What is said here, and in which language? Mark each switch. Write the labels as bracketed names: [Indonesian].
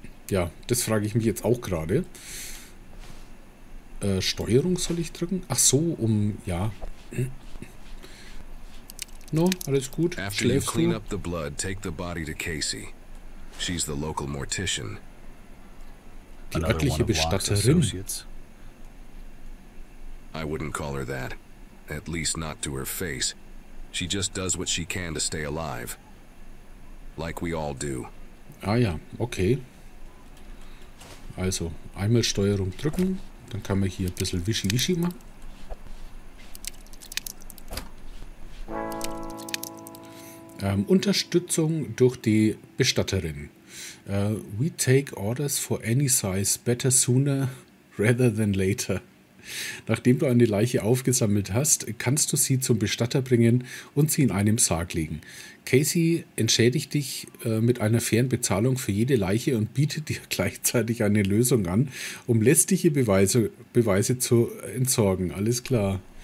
[German] Ja, das frage ich mich jetzt auch gerade. Steuerung soll ich drücken? Ach so, ja. No, alles gut. [English] After you clean up the blood, take the body to Casey. She's the local mortician. [German] Die örtliche Bestatterin. [English] I wouldn't call her that. At least not to her face. She just does what she can to stay alive. Like we all do. [German] Ah ja, okay. Also, einmal Steuerung drücken. Dann kann man hier ein bisschen Wischi-Wischi machen. Unterstützung durch die Bestatterin. [English] We take orders for any size, better sooner rather than later. [German] Nachdem du eine Leiche aufgesammelt hast, kannst du sie zum Bestatter bringen und sie in einem Sarg legen. Casey entschädigt dich mit einer fairen Bezahlung für jede Leiche und bietet dir gleichzeitig eine Lösung an, um lästige Beweise zu entsorgen. Alles klar.